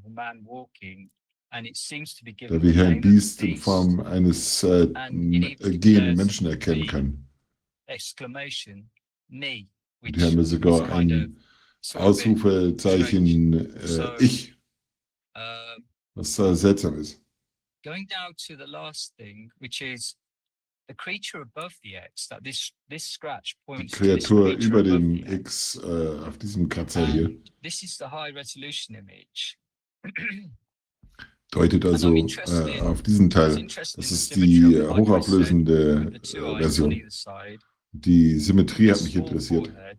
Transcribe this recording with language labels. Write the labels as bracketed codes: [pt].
[de] Da wir hier ein Biest in Form eines gehenden Menschen erkennen können. Und hier haben wir sogar ein Ausrufezeichen Ich. Was seltsam ist. [en] Going down to the last thing, which is the creature above the X, that this scratch points. [de] Die Kreatur über dem X auf diesem Kratzer hier. [en] This is the high resolution image. [de] Deutet also auf diesen Teil. Das ist die hochauflösende Version. Die Symmetrie hat mich interessiert.